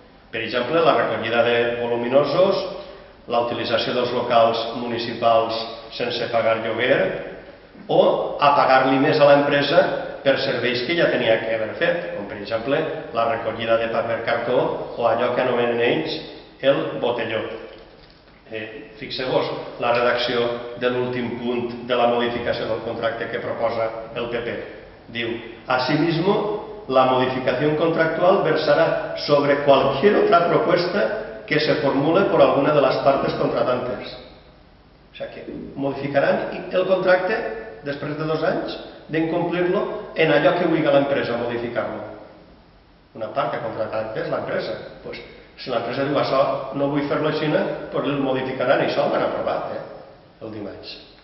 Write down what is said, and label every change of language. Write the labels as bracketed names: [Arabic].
[Catalan] Per exemple, la recollida de voluminosos, la utilització dels locals municipals sense pagar lloguer o a pagar-li més a l'empresa per serveis que ja tenia que haver fet, com per exemple la recollida de paper cartó o allò que anomenen ells el botelló. Fixeu-vos la redacció de l'últim punt de la modificació del contracte que proposa el PP. [Spanish] Diu, asimismo, la modificación contractual versará sobre cualquier otra propuesta que se formule por alguna de las partes contratantes. O sea que [Catalan] modificaran el contracte després de 2 anys d'incomplir-lo en allò que obliga l'empresa a modificar-lo. Una part que contractant és l'empresa. Pues, si l'empresa diu això, no vull fer-lo així, però el modificaran i això ho han aprovat el dimarts.